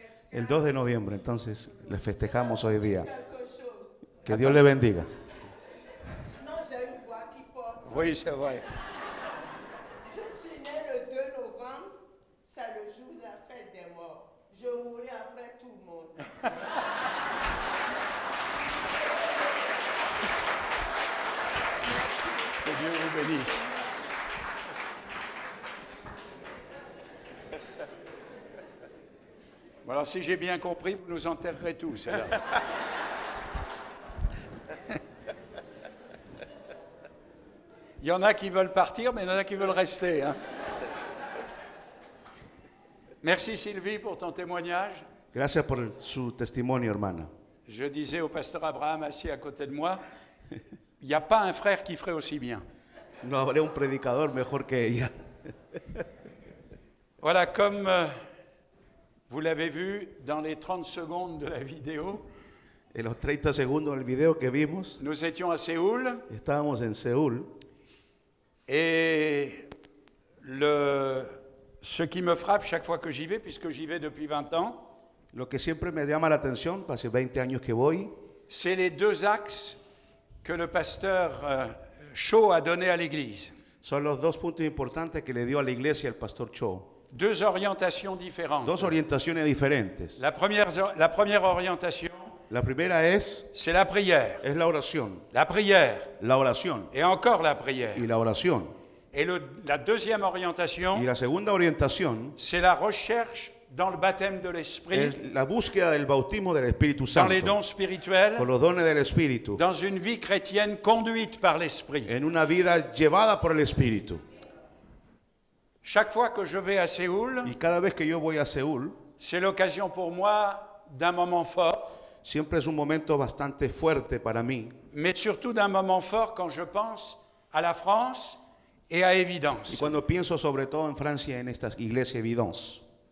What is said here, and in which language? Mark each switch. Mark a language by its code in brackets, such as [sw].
[es] El 2 de noviembre, entonces, le festejamos hoy día. Que Dios le bendiga. [fr] No, j'ai une voix qui porte. Oui, c'est vrai. Je suis né le 2 novembre, c'est le jour de la fête des morts. Je mourrai après tout le monde. Que Dieu vous bénisse. Alors, si j'ai bien compris, vous nous enterrerez tous. Alors. Il y en a qui veulent partir, mais il y en a qui veulent rester. Hein. Merci Sylvie pour ton témoignage. [es] Gracias por su testimonio, hermana. [fr] Je disais au pasteur Abraham, assis à côté de moi, il n'y a pas un frère qui ferait aussi bien. [es] No habría un predicador mejor que ella. [fr] Voilà, comme... Vous l'avez vu dans les 30 secondes de la vidéo. [es] En los 30 segundos del video que vimos. [fr] Nous étions à Séoul. [es] Estábamos en Séoul. [fr] Et ce qui me frappe chaque fois que j'y vais, puisque j'y vais depuis 20 ans. [es] Lo que siempre me llama la atención, hace 20 años que voy. [fr] C'est les deux axes que le pasteur Cho a donné à l'église. [es] Son los dos puntos importantes que le dio a la iglesia el pastor Cho. [fr] Deux orientations différentes. [es] Dos orientaciones diferentes. [fr] La première orientation. [es] La primera es. [fr] C'est la prière. [es] Es la oración. [fr] La prière. [es] La oración. [fr] Et encore la prière. [es] Y la oración. [fr] Et la deuxième orientation. [es] Y la segunda orientación. [fr] C'est la recherche dans le baptême de l'esprit. [es] Es la búsqueda del bautismo del Espíritu Santo. [fr] Dans les dons spirituels. [es] Con los dones del Espíritu. [fr] Dans une vie chrétienne conduite par l'esprit. [es] En una vida llevada por el Espíritu. [fr] Chaque fois que je vais à Séoul, [es] y cada vez que yo voy a Séoul, [fr] c'est l'occasion pour moi d'un moment fort. [es] Siempre es un momento bastante fuerte para mí. [fr] Mais surtout d'un moment fort quand je pense à la France et à Évidence. [es] Y cuando pienso sobre todo en Francia en esta iglesia Évidence.